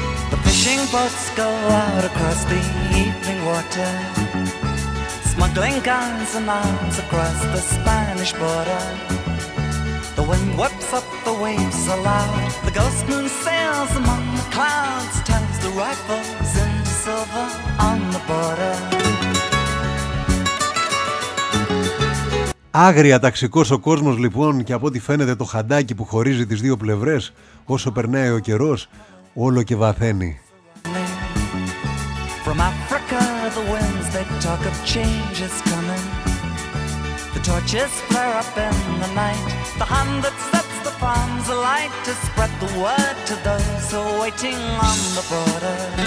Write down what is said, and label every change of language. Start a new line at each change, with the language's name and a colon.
English: The fishing boats go out across the evening water, smuggling guns and arms across the Spanish border. The wind whips up the waves aloud. The ghost moon sails among the clouds. Turns the rifles into silver on the border.
Greek: Άγρια ταξικός ο κόσμος λοιπόν, και από ό,τι φαίνεται το χαντάκι που χωρίζει τις δύο πλευρές όσο περνάει ο καιρός όλο και βαθαίνει.
English: From Africa the winds they talk of changes coming. The torches flare up in the night. The hand that sets the farms alight to spread the word to those who are waiting on the border.